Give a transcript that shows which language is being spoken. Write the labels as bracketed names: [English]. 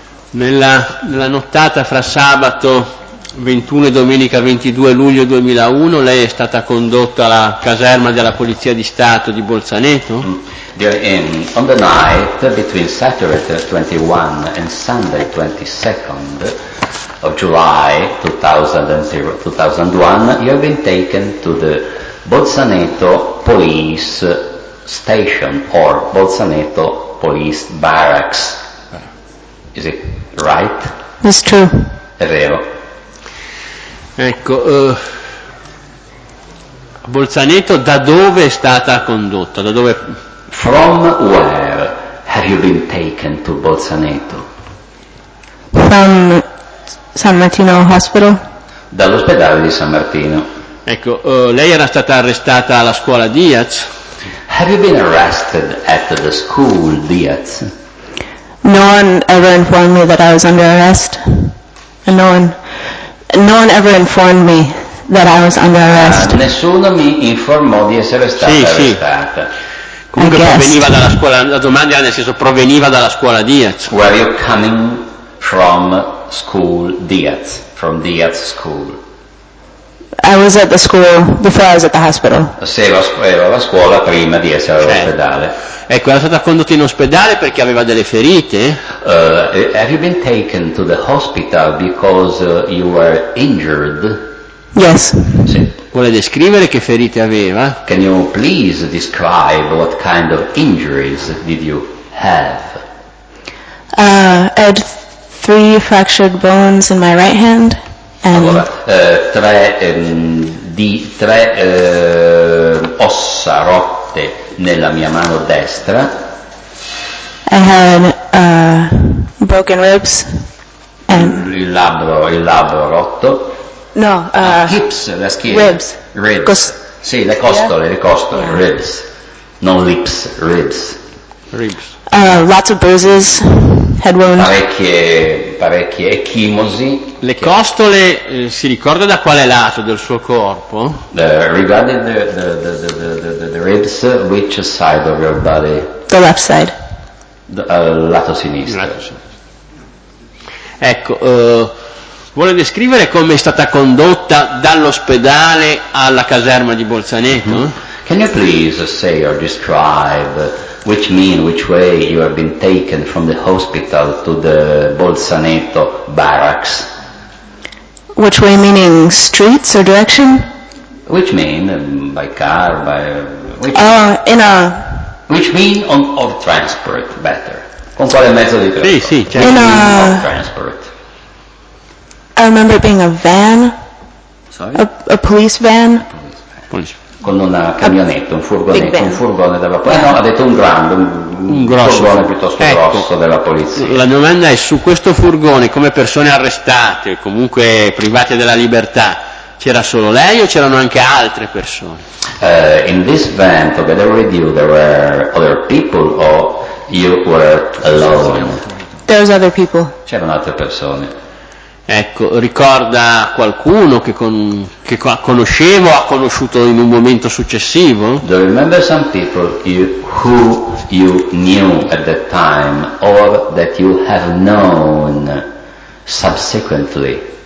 [Italian] Nella nottata fra sabato 21 e domenica 22 luglio 2001 lei è stata condotta alla caserma della Polizia di Stato di Bolzaneto? [English] On the night between Saturday 21 and Sunday 22nd of July 2001 you have been taken to the Bolzaneto Police Station or Bolzaneto Police Barracks. Is it right? That's true. [Italian] È vero. Ecco, Bolzaneto da dove è stata condotta? Da dove? [English] From where have you been taken to Bolzaneto? From San Martino Hospital. [Italian] Dall'ospedale di San Martino. Ecco, lei era stata arrestata alla scuola Diaz. [English] Have you been arrested at the school Diaz? No one ever informed me that I was under arrest. No one ever informed me that I was under arrest. [Italian] Nessuno mi informò di essere stata sì, arrestata. Sì. Comunque proveniva dalla scuola, la domanda nel senso proveniva dalla scuola Diaz. [English] Were you coming from school Diaz? From Diaz school? I was at the school before I was at the hospital. [Italian] Ero alla scuola prima di essere all'ospedale. Ecco, era stata condotta in ospedale perché aveva delle ferite. [English] Have you been taken to the hospital because you were injured? Yes. [Italian] Sì. Vuole descrivere che ferite aveva? [English] Can you please describe what kind of injuries did you have? I had three fractured bones in my right hand. [Italian] Tre ossa rotte nella mia mano destra. [English] I had broken ribs and [Italian] il labbro rotto. No, [English] hips, [Italian] la schiena. [English] Ribs. Ribs. [Italian] Sì, le costole, [English] yeah. Ribs. [Italian] Non [English] lips, ribs. Ribs. Lots of bruises, head wound. [Italian] Parecchie ecchimosi. Le costole, si ricorda da quale lato del suo corpo? [English] Regarding the ribs, which side of your body? The left side. [Italian] Lato sinistro. Lato sinistro. Ecco, vuole descrivere come è stata condotta dall'ospedale alla caserma di Bolzaneto? Mm-hmm. [English] Can you please say or describe which mean, which way you have been taken from the hospital to the Bolzaneto barracks? Which way meaning streets or direction? Which mean, by car, by... Which mean of transport better? [Italian] Con quale mezzo di trasporto? Sì, certo. [English] In a... of transport. I remember it being a van. Sorry? A police van. [Italian] Con una camionetta, un furgone della polizia. No, ha detto un furgone piuttosto grosso della polizia. La domanda è: su questo furgone, come persone arrestate o comunque private della libertà, c'era solo lei o c'erano anche altre persone? [English] In this van, together with you, there were other people or you were alone? There's other people. [Italian] C'erano altre persone. Ecco, ricorda qualcuno che conoscevo o ha conosciuto in un momento successivo? [English] Do you remember some people who you knew at that time or that you have known subsequently?